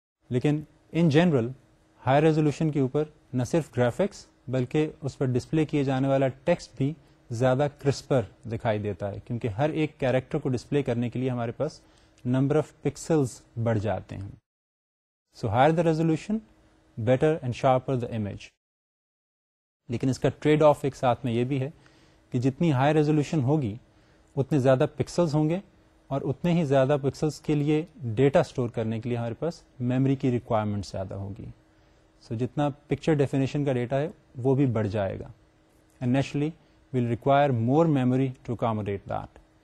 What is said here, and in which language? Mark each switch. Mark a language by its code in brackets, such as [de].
[ur] لیکن in general high resolution کے اوپر نہ صرف گرافکس بلکہ اس پر ڈسپلے کیے جانے والا ٹیکسٹ بھی زیادہ کرسپر دکھائی دیتا ہے کیونکہ ہر ایک کیریکٹر کو ڈسپلے کرنے کے لیے ہمارے پاس نمبر آف پکسلز بڑھ جاتے ہیں. [en] So higher the resolution better and sharper the image. [ur] لیکن اس کا ٹریڈ آف ایک ساتھ میں یہ بھی ہے کہ جتنی ہائی ریزولوشن ہوگی اتنے زیادہ پکسلز ہوں گے اور اتنے ہی زیادہ پکسلز کے لیے ڈیٹا اسٹور کرنے کے لیے ہمارے پاس میموری کی ریکوائرمنٹ زیادہ ہوگی. سو جتنا پکچر ڈیفینیشن کا ڈیٹا ہے وہ بھی بڑھ جائے گا [en] And naturally will require more memory to accommodate that.